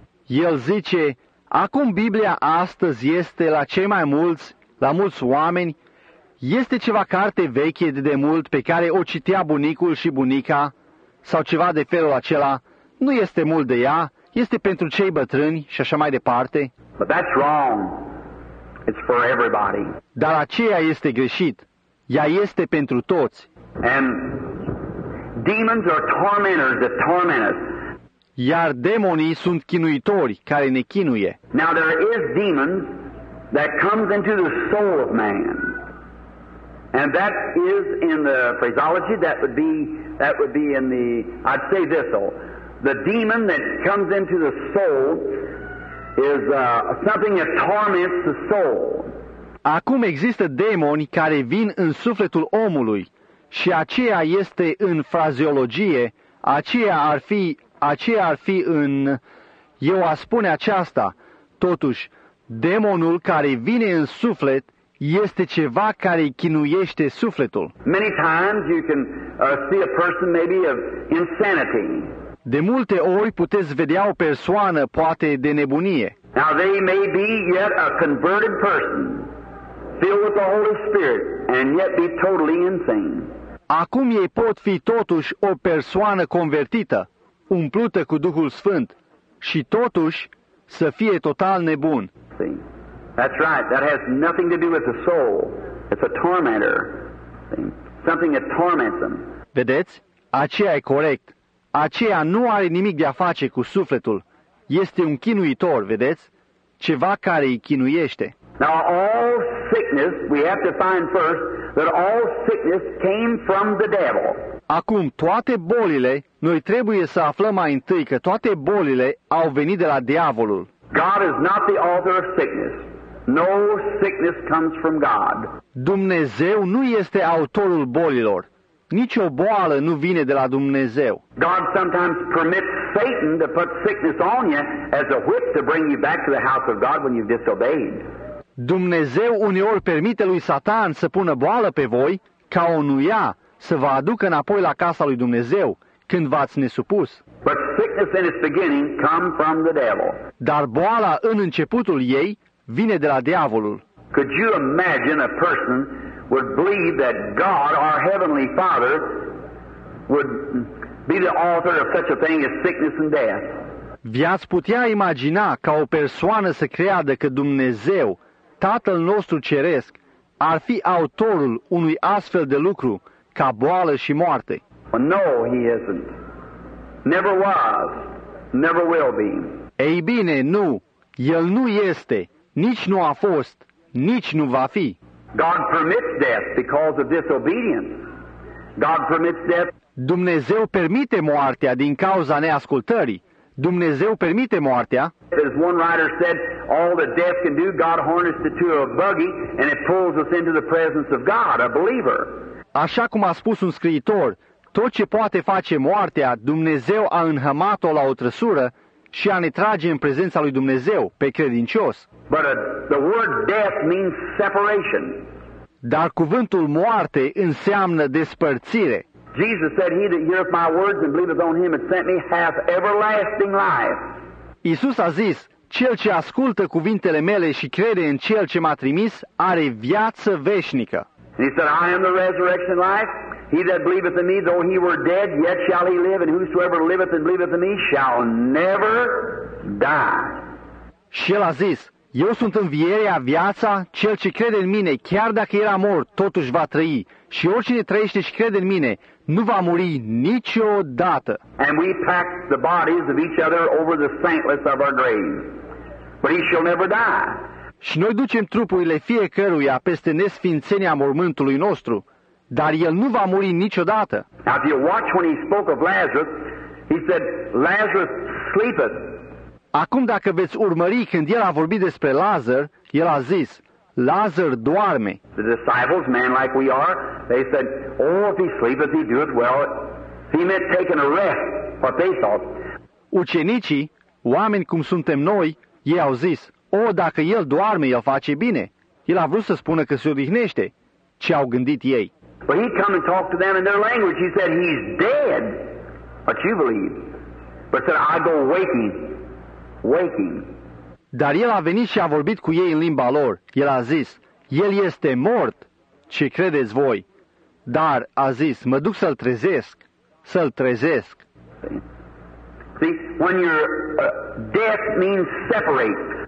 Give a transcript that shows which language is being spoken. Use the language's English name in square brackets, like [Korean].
[Romanian] El zice, acum Biblia astăzi este la cei mai mulți, la mulți oameni, este ceva carte veche de mult pe care o citea bunicul și bunica sau ceva de felul acela. Nu este mult de ea, este pentru cei bătrâni și așa mai departe. [English] But that's wrong. It's for everybody. [Romanian] Dar aceea este greșit. Ea este pentru toți. [English] And demons are tormentors that torment us. [Romanian] Iar demonii sunt chinuitori care ne chinuie. [English] Now there is demons that comes into the soul of man. And that is in the phraseology, that would be in the, I'd say this though. The demon that comes into the soul is something that torments the soul. [Romanian] Acum există demoni care vin în sufletul omului și aceea este în fraseologie, aceea ar fi în, eu a spune aceasta. Totuși, demonul care vine în suflet este ceva care chinuiește sufletul. [English] Many times you can see a person maybe of insanity. [Romanian] De multe ori puteți vedea o persoană, poate, de nebunie. [English] Now they may be yet a converted person, filled with the Holy Spirit, and yet be totally insane. [Romanian] Acum ei pot fi totuși o persoană convertită, umplută cu Duhul Sfânt, și totuși să fie total nebun. [English] See? That's right. That has nothing to do with the soul. It's a tormentor. Something that torments them. [Romanian] Vedeți? Aceea e corect. Aceea nu are nimic de a face cu sufletul. Este un chinuitor, vedeți? Ceva care îi chinuiește. [English] Now all sickness, we have to find first that all sickness came from the devil. [Romanian] Acum toate bolile, noi trebuie să aflăm mai întâi că toate bolile au venit de la diavolul. [English] God is not the author of sickness. No sickness comes from God. [Romanian] Dumnezeu nu este autorul bolilor. Nici o boală nu vine de la Dumnezeu. [English] God sometimes permits Satan to put sickness on you as a whip to bring you back to the house of God when you've disobeyed. [Romanian] Dumnezeu uneori permite lui Satan să pună boală pe voi ca o nuia să vă aducă înapoi la casa lui Dumnezeu când v-ați nesupus. [English] But sickness in its beginning come from the devil. [Romanian] Dar boala în începutul ei vine de la diavolul. [English] Could you imagine a person would believe that God, our Heavenly Father, would be the author of such a thing as sickness and death? [Romanian] V-ați putea imagina ca o persoană să creadă că Dumnezeu, Tatăl nostru Ceresc, ar fi autorul unui astfel de lucru ca boală și moarte? [English] Well, no, he isn't. Never was. Never will be. [Romanian] Ei bine, nu. El nu este. Nici nu a fost. Nici nu va fi. [English] God permits death because of disobedience. God permits death. [Romanian] Dumnezeu permite moartea din cauza neascultării. Dumnezeu permite moartea. [English] As one writer said, all that death can do, God harnessed it to a buggy and it pulls us into the presence of God, a believer. [Romanian] Așa cum a spus un scriitor, tot ce poate face moartea, Dumnezeu a înhămat-o la o trăsură și a ne trage în prezența lui Dumnezeu, pe credincios. [English] But the word death means separation. [Romanian] Dar cuvântul moarte înseamnă despărțire. [English] Jesus said, he that heareth my words and believeth on him that sent me hath everlasting life. [Romanian] Iisus a zis, cel ce ascultă cuvintele mele și crede în cel ce m-a trimis are viață veșnică. [English] And he said, I am the resurrection and life. He that believeth in me, though he were dead, yet shall he live, and whosoever liveth and believeth in me shall never die. [Romanian] Și el a zis, Eu sunt învierea, viața, cel ce crede în mine, chiar dacă era mort, totuși va trăi. Și oricine trăiește și crede în mine, nu va muri niciodată. [English] And we pack the bodies of each other over the saintless of our graves. But he shall never die. [Romanian] Și noi ducem trupurile fiecăruia peste nesfințenia mormântului nostru, dar el nu va muri niciodată. Now, if you watch when he spoke of Lazarus, he said, Lazarus sleepeth. Acum, dacă veți urmări când el a vorbit despre Lazar, el a zis, Lazar doarme. The disciples, man like we are, they said, oh, if he sleepeth, he doeth well. He meant taking a rest, what they thought. Ucenicii, oameni cum suntem noi, ei au zis, oh, dacă el doarme, el face bine. El a vrut să spună că se odihnește. Ce au gândit ei? [English] But he'd come and talk to them in their language. He said, he's dead, but you believe. But said, I go waking. Waking. [Romanian] Dar el a venit și a vorbit cu ei în limba lor. El a zis, el este mort, ce credeți voi? Dar a zis, mă duc să-l trezesc, să-l trezesc. [English] See, when you're, death means separate.